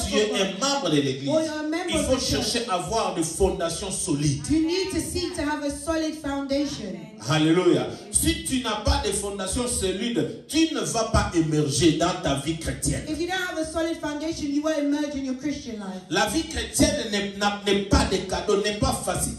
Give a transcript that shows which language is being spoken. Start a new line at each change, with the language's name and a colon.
French: ou tu es un membre de l'église, il faut chercher à avoir des fondations solides.
English: You need to seek to have a solid foundation. Hallelujah.
French: Si tu n'as pas de fondation solide, tu ne vas pas émerger dans ta vie chrétienne.
English: If you don't have a solid foundation, you won't emerge in your Christian life.
French: La vie chrétienne n'est pas des cadeaux, n'est pas facile.